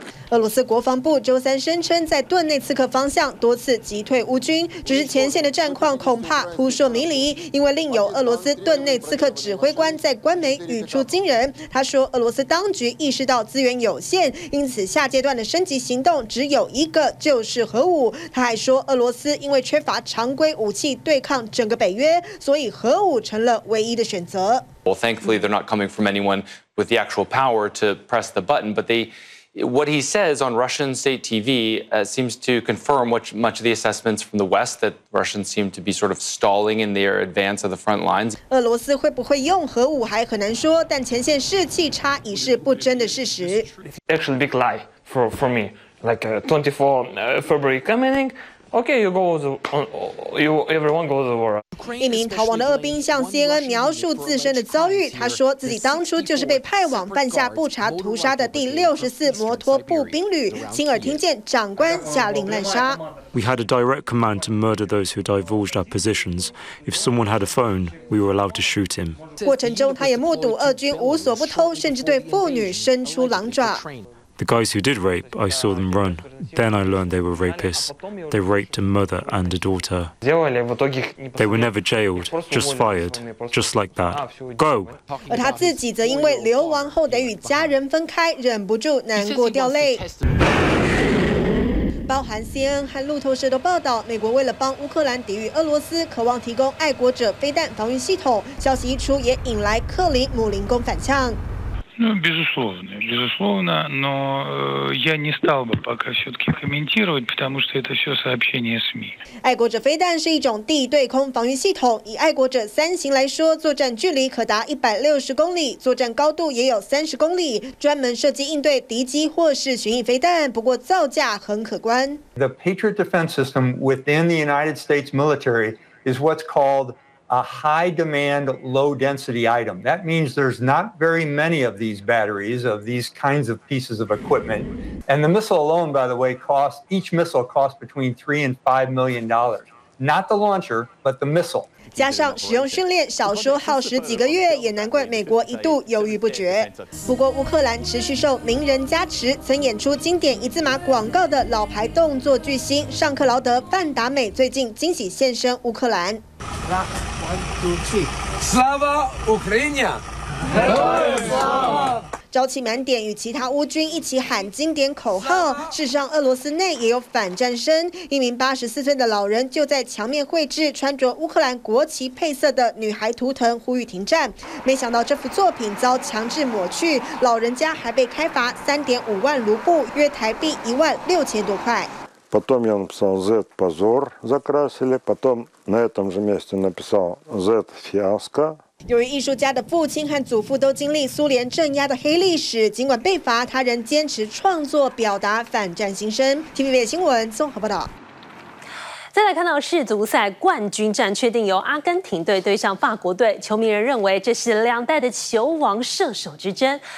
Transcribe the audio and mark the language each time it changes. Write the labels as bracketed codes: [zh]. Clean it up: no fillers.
[zh] 俄罗斯国防部周三声称，在顿内茨克方向多次击退乌军，只是前线的战况恐怕扑朔迷离，因为另有俄罗斯顿内茨克指挥官在官媒语出惊人，他说俄罗斯当局意识到资源有限，因此下阶段的升级行动只有一个，就是核武。他还说俄罗斯因为缺乏常规武器对抗整个北约，所以核武成了唯一的选择。 [en] Well, thankfully, they're not coming from anyone with the actual power to press the button, but they. What he says on Russian state TV, seems to confirm much of the assessments from the West that Russians seem to be sort of stalling in their advance of the front lines. [zh] 俄罗斯会不会用核武还很难说，但前线士气差已是不争的事实。 [en] It's actually a big lie for me. Like 24 February coming. Okay, you go the, you everyone goes the war. [zh] 一名逃亡的俄兵向 CNN 描述自身的遭遇，他说自己当初就是被派往犯下布查屠杀的第64摩托步兵旅，亲耳听见长官下令滥杀。 [en] We had a direct command to murder those who divulged our positions. If someone had a phone, we were allowed to shoot him. [zh] 过程中，他也目睹俄军无所不偷，甚至对妇女伸出狼爪。 [en] The guys who did rape, I saw them run. Then I learned they were rapists. They raped a mother and a daughter. They were never jailed, just fired, just like that. Go! [zh] 而他自己则因为流亡后得与家人分开，忍不住难过掉泪。包含 CNN 和路透社都报道，美国为了帮乌克兰抵御俄罗斯，渴望提供爱国者飞弹防御系统。消息一出，也引来克里姆林宫反呛。 [ru] Ну, безусловно, безусловно, но я не стал бы пока все-таки комментировать, потому что это все сообщение СМИ. [zh] 爱国者飞弹是一种地对空防御系统，以爱国者三型来说，作战距离可达160公里，作战高度也有30公里，专门设计应对敌机或是巡弋飞弹，不过造价很可观。 [en] The Patriot Defense System within the United States military is what's calledA high demand, low density item. That means there's not very many of these batteries, of these kinds of pieces of equipment. And the missile alone, by the way, costs, each missile costs between $3 and $5 million. Not the launcher, but the missile. [zh] 加上使用训练，少说耗时几个月，也难怪美国一度犹豫不决。不过乌克兰持续受名人加持，曾演出经典一字马广告的老牌动作巨星尚克劳德·范达美最近惊喜现身乌克兰。 [uk] Slava Ukraina！ [zh] 朝气满点与其他乌军一起喊经典口号。事实上，俄罗斯内也有反战声。一名84岁的老人就在墙面绘制穿着乌克兰国旗配色的女孩图腾，呼吁停战。没想到这幅作品遭强制抹去，老人家还被开罚3.5万卢布，约台币16000多块。 [ru] Потом я написал Z позор, закрасили. Потом на этом же месте написал Z фиаско. [zh] 由于艺术家的父亲和祖父都经历苏联镇压的黑历史，尽管被罚，他仍坚持创作，表达反战心声。 TVBS 新闻综合报道。再来看到世足赛冠军战确定由阿根廷队对上法国队，球迷人认为这是两代的球王射手之争。